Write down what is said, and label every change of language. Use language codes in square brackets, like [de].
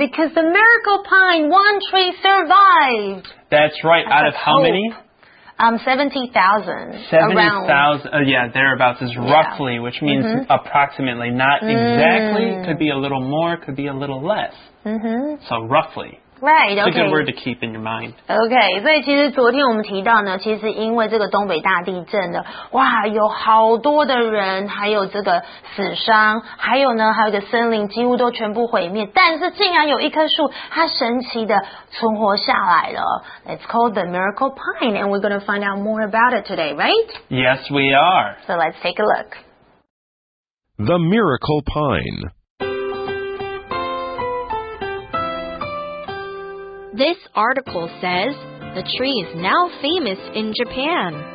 [en] Yeah, because the miracle pine, one tree, survived. That's right. Out of how many? 70,000. 70,000. Thereabouts is roughly, which means approximately. Not exactly. Could be a little more, could be a little less. So roughly. Right, okay. It's a good word to keep in your mind. [zh] Okay, 所以其实昨天我们提到呢，其实因为这个东北大地震的，哇，有好多的人，还有这个死伤，还有呢，还有个森林几乎都全部毁灭，但是竟然有一棵树，它神奇的存活下来了。 [en] It's called the miracle pine, and we're going to find out more about it today, right? Yes, we are. So let's take a look. The miracle pine. This article says the tree is now famous in Japan.